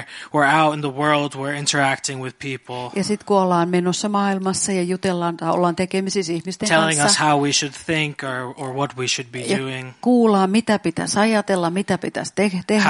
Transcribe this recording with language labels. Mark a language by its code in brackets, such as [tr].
[en] We're out in the world, we're interacting with people. [fi] Ja sitten kun ollaan menossa maailmassa ja jutellaan tai ollaan tekemisissä ihmisten kanssa. [en] Telling us how we should think or what we should be doing. [fi] Kuullaan, mitä pitäisi ajatella, mitä pitäisi tehdä.